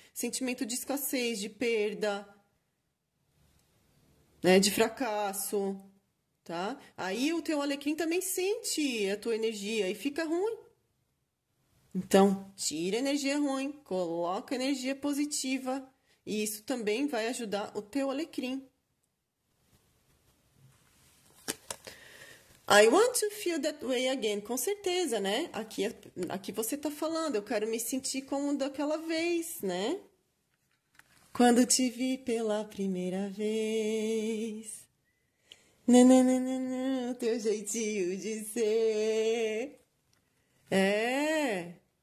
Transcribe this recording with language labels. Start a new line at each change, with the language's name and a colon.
Portuguese: Sentimento de escassez, de perda, né, de fracasso, tá? Aí o teu alecrim também sente a tua energia e fica ruim. Então, tira energia ruim, coloca energia positiva. E isso também vai ajudar o teu alecrim.
English: I want to feel that way again.
Portuguese: Com certeza, né? Aqui você tá falando. Eu quero me sentir como daquela vez, né? Quando te vi pela primeira vez. Nananana, teu jeitinho de ser. É.